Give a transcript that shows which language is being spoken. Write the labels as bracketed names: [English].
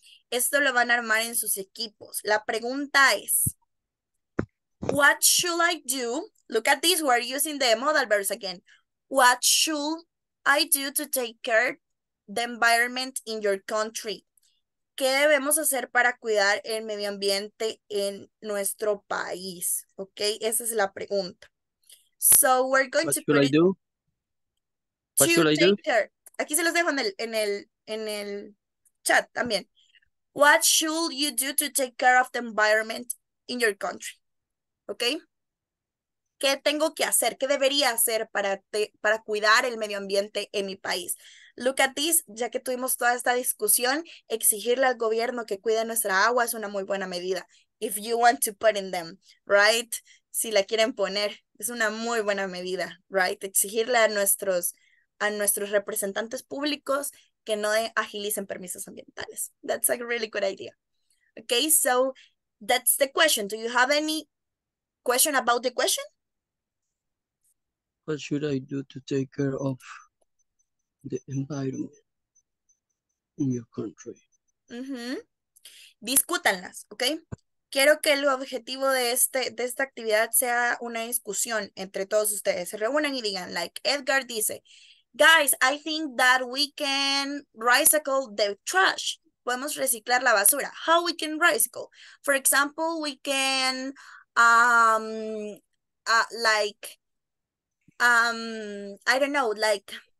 [Spanish] Esto lo van a armar en sus equipos. La pregunta es, [English] what should I do? Look at this, we're using the modal verbs again. What should I do to take care of the environment in your country? [Spanish] ¿Qué debemos hacer para cuidar el medio ambiente en nuestro país? Okay, esa es la pregunta. [English] So we're going what to put it. What should I do? To take care. [Spanish] Aquí se los dejo en el chat también. [English] What should you do to take care of the environment in your country? [Spanish] Okay. ¿Qué tengo que hacer? ¿Qué debería hacer para cuidar el medio ambiente en mi país? [English] Look at this, [Spanish] ya que tuvimos toda esta discusión, exigirle al gobierno que cuide nuestra agua es una muy buena medida. [English] If you want to put in them, right? [Spanish] Si la quieren poner, es una muy buena medida, right? Exigirle a nuestros representantes públicos que no agilicen permisos ambientales. [English] That's a really good idea. Okay, so that's the question. Do you have any question about the question? What should I do to take care of the environment in your country? [Spanish] Mm-hmm. Discútanlas, okay? Quiero que el objetivo de esta actividad sea una discusión entre todos ustedes. Se reúnan y digan, [English] like Edgar dice, guys, I think that we can recycle the trash. [Spanish] Podemos reciclar la basura. [English] How we can recycle? For example, we can I don't know, like